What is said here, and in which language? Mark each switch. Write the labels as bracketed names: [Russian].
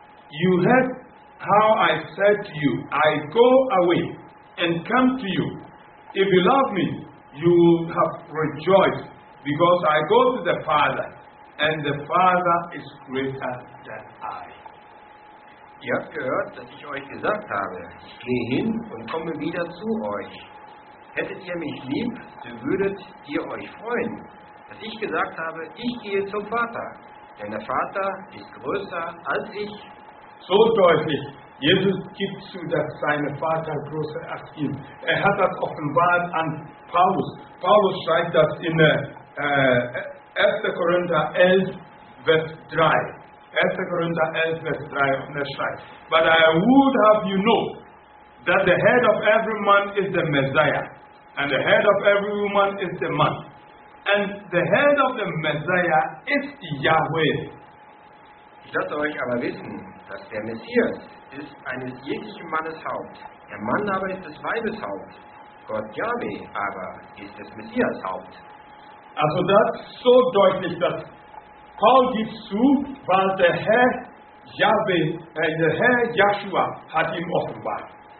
[English] You heard how I said to you, I go away and come to you. If you love me, you have rejoiced because I go to the Father, and the Father is greater than I. [German] Ihr habt gehört, dass ich euch gesagt habe, ich gehe hin und komme wieder zu euch. Hättet ihr mich lieb, so würdet ihr euch freuen, dass ich gesagt habe, ich gehe zum Vater, denn der Vater ist größer als ich. So deutlich, Jesus gibt zu, dass sein Vater größer als ihn. Er hat das offenbart an Paulus. Paulus schreibt das in 1. Korinther 11, Vers 3. 1. Korinther 11, Vers 3, und er schreibt, [English] but I would have you know that the head of every man is the Messiah, and the head of every woman is the man, and the head of the Messiah is Yahweh. [German] Ich lasse euch aber wissen, dass der Messias ist eines jeglichen Mannes Haupt, der Mann aber ist des Weibes Haupt, Gott Yahweh aber ist des Messias Haupt. Also das so deutlich, dass Paul gibt zu, weil der Herr Yahweh, der Herr Joshua hat ihm offenbart.